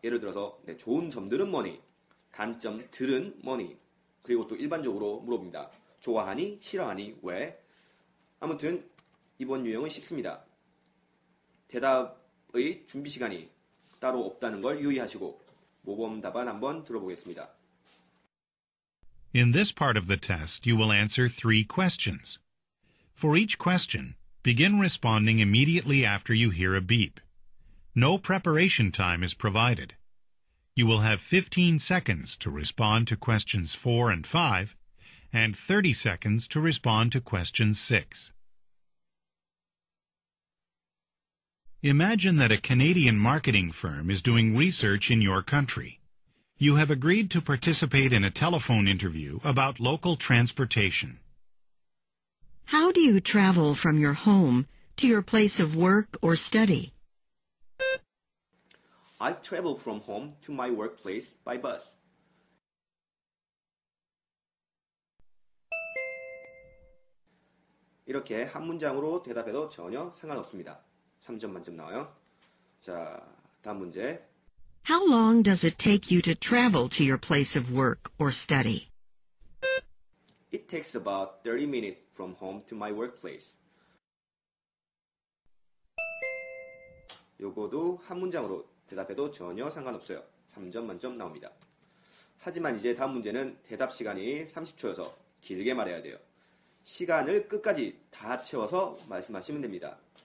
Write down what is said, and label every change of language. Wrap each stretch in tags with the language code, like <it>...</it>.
<ko>예를 들어서 네, 좋은 점들은 뭐니? 단점들은 뭐니? 그리고 또 일반적으로 물어봅니다. 좋아하니? 싫어하니? 왜? 아무튼 이번 유형은 쉽습니다. 대답의 준비 시간이 따로 없다는 걸 유의하시고 모범 답안 한번 들어보겠습니다.</ko> <en>In this part of the test, you will answer three questions. For each question, begin responding immediately after you hear a beep. No preparation time is provided. You will have 15 seconds to respond to questions 4 and 5, and 30 seconds to respond to question 6. Imagine that a Canadian marketing firm is doing research in your country. You have agreed to participate in a telephone interview about local transportation. How do you travel from your home to your place of work or study? I travel from home to my workplace by bus.</en> <ko>(목소리) 이렇게 한 문장으로 대답해도 전혀 상관없습니다. 3점 만점 나와요. 자, 다음 문제.</ko> <en>How long does it take you to travel to your place of work or study? It takes about 30 minutes from home to my workplace.</en> <ko>요거도 한 문장으로 대답해도 전혀 상관없어요. 3점 만점 나옵니다. 하지만 이제 다음 문제는 대답 시간이 30초여서 길게 말해야 돼요. 시간을 끝까지 다 채워서 말씀하시면 됩니다.</ko>